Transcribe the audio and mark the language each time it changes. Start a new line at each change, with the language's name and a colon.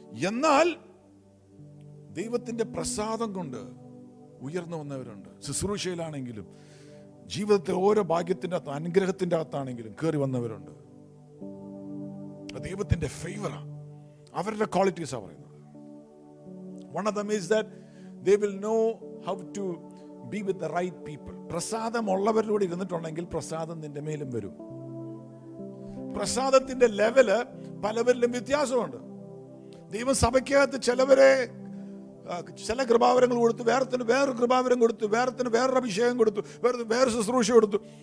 Malayalam: എന്നാൽ ദൈവത്തിന്റെ പ്രസാദം കൊണ്ട് ഉയർന്നു വന്നവരുണ്ട്. ശുശ്രൂഷയിലാണെങ്കിലും ജീവിതത്തിൽ ഓരോ ഭാഗ്യത്തിന്റെ അകത്ത് അനുഗ്രഹത്തിന്റെ അകത്താണെങ്കിലും കയറി വന്നവരുണ്ട്. ദൈവത്തിന്റെ ഫേവറാണ് അവരുടെ ക്വാളിറ്റീസ് ആണ് പറയുന്നത്.
English: One of them is that they will know how to be with the right people.
Malayalam: പ്രസാദം ഉള്ളവരിലൂടെ ഇരുന്നിട്ടുണ്ടെങ്കിൽ പ്രസാദം നിന്റെ മേലും വരും. പ്രസാദത്തിന്റെ ലെവല് പലവരിലും വ്യത്യാസമുണ്ട്. ദൈവം സഭയ്ക്കകത്ത് ചിലവരെ ചില കൃപാവരങ്ങൾ കൊടുത്തു, വേറത്തിന് വേറൊരു കൃപാവരം കൊടുത്തു, വേറത്തിന് വേറൊരു അഭിഷേകം കൊടുത്തു, വേറെ വേറെ ശുശ്രൂഷ കൊടുത്തു.